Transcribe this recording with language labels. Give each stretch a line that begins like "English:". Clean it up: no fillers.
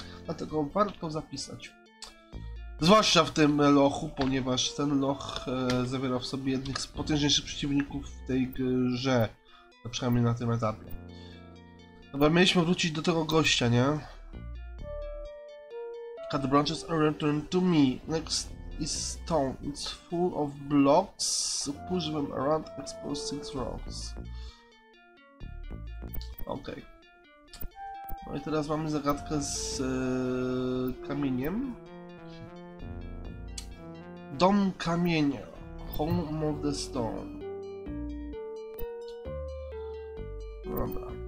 Polish: Dlatego warto zapisać. Zwłaszcza w tym lochu, ponieważ ten loch zawiera w sobie jednych z potężniejszych przeciwników w tej grze. A przynajmniej na tym etapie. Dobra, mieliśmy wrócić do tego gościa, nie?
English: Cut the branches and return to me. Next is stone. It's full of blocks. So push them around, expose 6 rocks. Okej. Okay.
Polish: No i teraz mamy zagadkę z kamieniem. Dom kamienia.
English: Home of the Stone.
Polish: Dobra.